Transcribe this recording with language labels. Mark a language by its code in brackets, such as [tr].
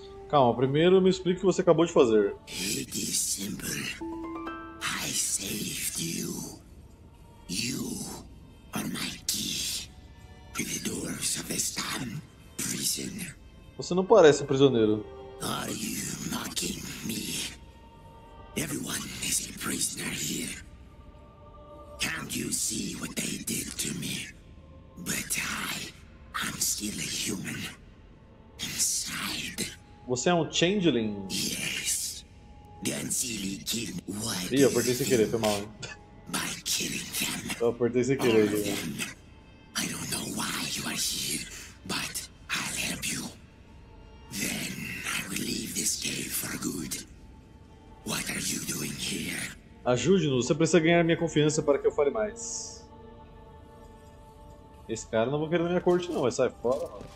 [pt] Calma, primeiro me explique o que você acabou de fazer. [en] It is simple. I saved you. You are my key to the doors of the Stam prison. [pt] Você não parece um prisioneiro. [en] Are you mocking me? Everyone is a prisoner here. Can't you see what they did to me? But I'm still a human. Inside. [pt] Você é um changeling? [en] Yes. The Anzili killed what? [pt] Ih, eu apertei sem querer, foi mal. [en] By killing them. [pt] Eu apertei sem querer. [en] I don't know why you are here, but I'll help you. Then I will leave this cave for good. What are you doing here? [pt] Ajude-nos, você precisa ganhar minha confiança para que eu fale mais. Esse cara não vou querer na minha corte não, vai sair fora.